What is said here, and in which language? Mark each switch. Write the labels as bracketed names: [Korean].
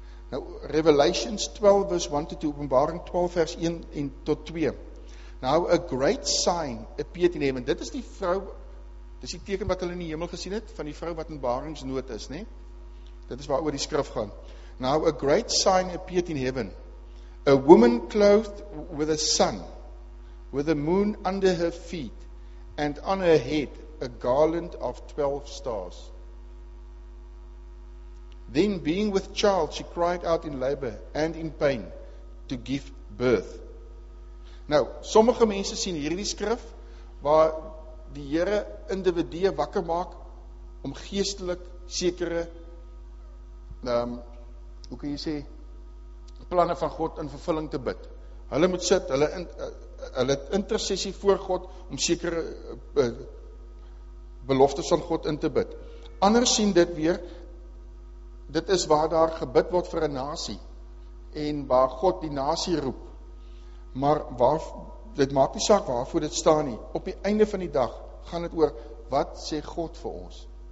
[Afrikaans] Nou [English] Revelations 12 verse 1 to 2, [Afrikaans] Openbaring 12 vers 1 en tot 2. [English] Now a great sign appeared in heaven. [Afrikaans] Dit is die vrou, dis die teken wat hulle in die hemel gesien het van die vrou wat in baringsnood is, né? Dit is waaroor die skrif gaan. [English] Now a great sign appeared in heaven. A woman clothed with a sun, with a moon under her feet, and on her head a garland of 12 stars. Then being with child, she cried out in labor and in pain to give birth. [Afrikaans] Nou, sommige mense sien hierdie skrif waar die Here individue wakker maak om geestelik sekere hoe kan jy sê, planne van God in vervulling te bid. Hulle moet sit, hulle intercessie voor God, om sekere beloftes van God in te bid. Anders sien dit weer, dit is waar daar gebid word vir 'n nasie, en waar God die nasie roep. Maar waar, dit maak nie saak waarvoor dit staan nie. Op die einde van die dag gaan dit oor, wat sê God vir ons?